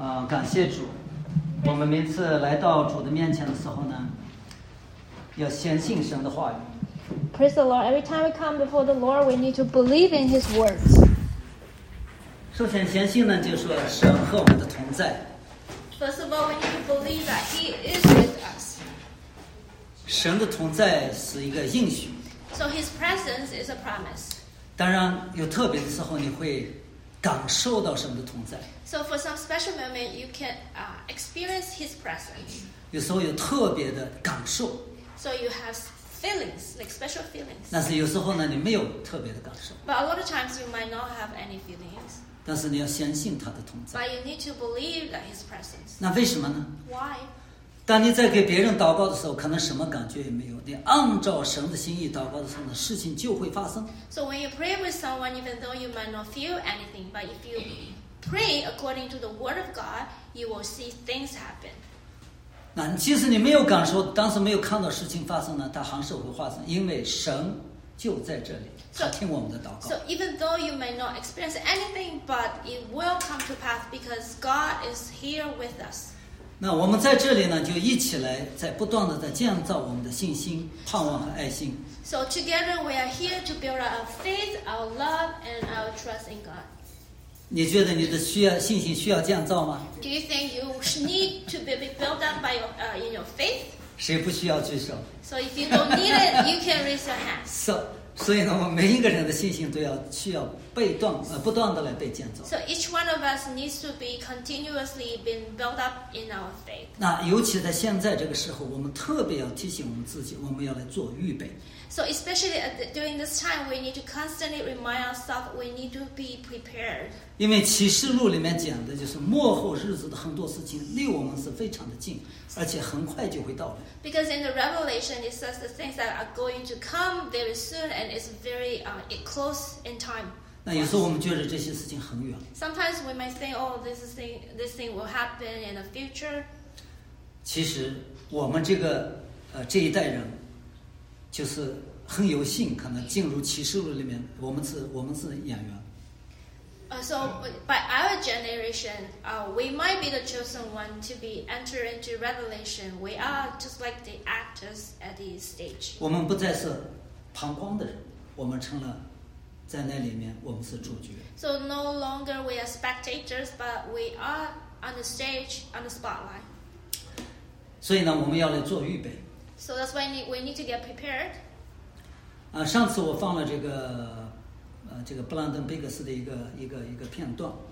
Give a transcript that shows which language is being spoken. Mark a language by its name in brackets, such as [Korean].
[Chinese] 感谢主，我们每次来到主的面前的时候呢，要相信神的话语。 [English] Praise the Lord. Every time we come before the Lord, we need to believe in His words. [Chinese] 首先相信呢，就是说神和我们的同在。 [English] First of all, we need to believe that He is with us. [Chinese] 神的同在是一个应许。 [English] So His presence is a promise. [Chinese] 当然，有特别的时候你会感受到神的同在。 [English] So for some special moment, you can experience His presence. [Chinese] 有时候有特别的感受。 [English] So you have feelings, like special feelings. [Chinese] 但是有时候呢，你没有特别的感受。 [English] But a lot of times you might not have any feelings. [Chinese] 但是你要相信他的同在。 [English] But you need to believe that His presence. [Chinese] 那为什么呢 [English] ？Why? [Chinese] 当你在给别人祷告的时候，可能什么感觉也没有。你按照神的心意祷告的时候呢，事情就会发生。 [English] So when you pray with someone, even though you might not feel anything, but if you pray according to the word of God, you will see things happen. [Chinese] 那即使你没有感受，当时没有看到事情发生呢，它还是会发生，因为神就在这里，他听我们的祷告。 [English] So even though you may not experience anything, but it will come to pass because God is here with us. [Chinese] 那我们在这里呢，就一起来，在不断的在建造我们的信心、盼望和爱心。 [English] So together we are here to build our faith, our love, and our trust in God. [Chinese] 你觉得你的需要信心需要建造吗 [English] ？Do you think you need to be built up by your in your faith? [Chinese] 谁不需要举手 [English] ？So if you don't need it, you can raise your hand. So. [Chinese] 所以呢，我们每一个人的信心都要需要被动不断的来被建造。 [English] So each one of us needs to be continuously being built up in our faith. [Chinese] 那尤其在现在这个时候，我们特别要提醒我们自己，我们要来做预备。 [English] So especially during this time, we need to constantly remind ourselves we need to be prepared. [Chinese] 因为启示录里面讲的就是末后日子的很多事情离我们是非常的近，而且很快就会到来。 [English] Because in the Revelation, it says the things that are going to come very soon and it's very close in time. [Chinese] 那有时候我们觉得这些事情很远。 [English] Sometimes we might think, oh, this thing will happen in the future. [Chinese] 其实我们这一代人就是很有幸可能进入启示录里面，我们是演员。 [English] So by our generation, we might be the chosen one to be enter into Revelation. We are just like the actors at the stage. [Chinese] 我们不再是旁观的人，我们成了在那里面，我们是主角。 [English] So no longer we are spectators, but we are on the stage, on the spotlight. [Chinese] 所以呢，我们要来做预备。 [English] So that's why we need to get prepared. [Chinese] 上次我放了这个布兰登·贝克斯的一个片段。